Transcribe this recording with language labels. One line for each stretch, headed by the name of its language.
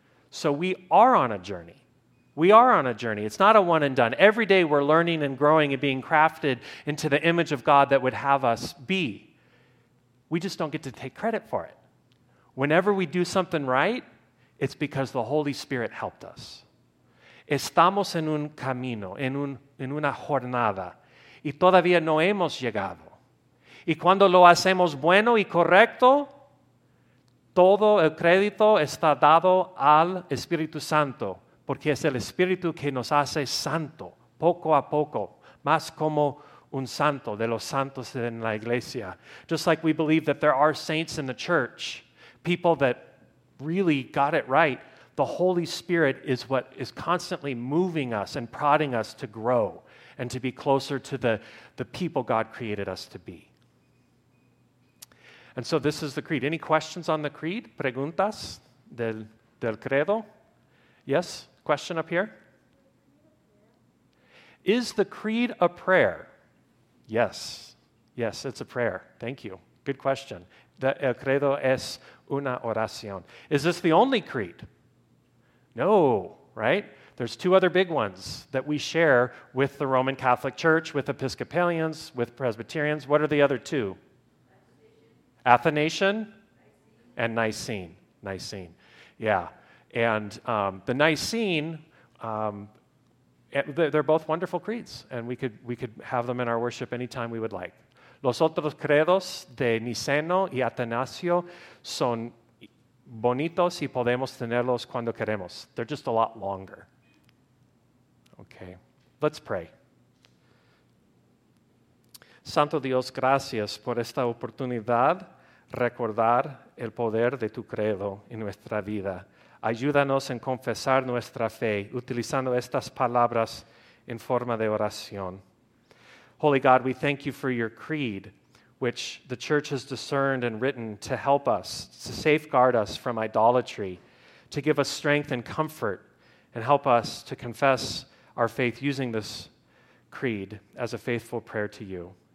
English: So we are on a journey. We are on a journey. It's not a one and done. Every day we're learning and growing and being crafted into the image of God that would have us be. We just don't get to take credit for it. Whenever we do something right, it's because the Holy Spirit helped us.
Spanish: Estamos en un camino, en una jornada, y todavía no hemos llegado. Y cuando lo hacemos bueno y correcto, todo el crédito está dado al Espíritu Santo, porque es el Espíritu que nos hace santo, poco a poco, más como un santo, de los santos en la iglesia.
English: Just like we believe that there are saints in the church, people that really got it right, the Holy Spirit is what is constantly moving us and prodding us to grow and to be closer to the people God created us to be. And so this is the creed. Any questions on the creed?
Spanish: ¿Preguntas del credo?
English: Yes? Question up here? Is the creed a prayer? Yes. Yes, it's a prayer. Thank you. Good question.
Spanish: El credo es una oración.
English: Is this the only creed? No, right? There's two other big ones that we share with the Roman Catholic Church, with Episcopalians, with Presbyterians. What are the other two? Athanasian and Nicene. Nicene, yeah. And the Nicene, they're both wonderful creeds, and we could have them in our worship anytime we would like.
Spanish: Los otros credos de Niceno y Atanasio son bonitos y podemos tenerlos cuando queremos. They're just a lot longer. Okay, let's pray. Santo Dios, gracias por esta oportunidad recordar el poder de tu credo en nuestra vida. Ayúdanos en confesar nuestra fe utilizando estas palabras en forma de oración.
English: Holy God, we thank you for your creed, which the church has discerned and written to help us, to safeguard us from idolatry, to give us strength and comfort, and help us to confess our faith using this creed as a faithful prayer to you.